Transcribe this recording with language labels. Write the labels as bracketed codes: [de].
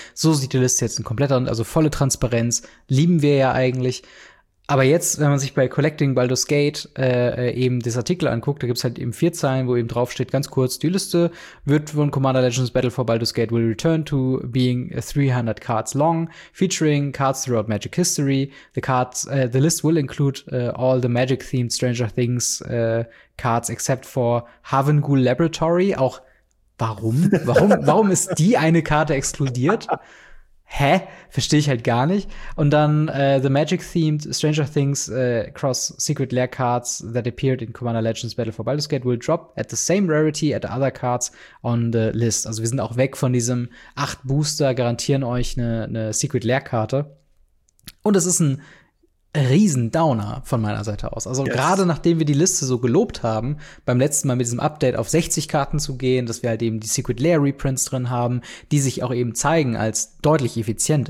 [de] So sieht die Liste jetzt in kompletter, also volle Transparenz. Lieben wir ja eigentlich. Aber jetzt, wenn man sich bei Collecting Baldur's Gate eben das Artikel anguckt, da gibt's halt eben 4 Zeilen, wo eben draufsteht, ganz kurz, die Liste wird von [en] Commander Legends Battle for Baldur's Gate will return to being 300 cards long, featuring cards throughout Magic History. The list will include all the Magic-themed Stranger Things cards except for Havengul Laboratory. [de] Auch, warum? Warum ist die eine Karte exkludiert? Hä? Verstehe ich halt gar nicht. Und dann [en] the Magic-themed Stranger Things cross Secret Lair Cards that appeared in Commander Legends Battle for Baldur's Gate will drop at the same rarity at other cards on the list. [de] Also wir sind auch weg von diesem 8 Booster, garantieren euch eine Secret Lair Karte. Und es ist ein Riesendowner von meiner Seite aus. Also yes. Gerade nachdem wir die Liste so gelobt haben, beim letzten Mal mit diesem Update auf 60 Karten zu gehen, dass wir halt eben die Secret Lair Reprints drin haben, die sich auch eben zeigen als deutlich effizient.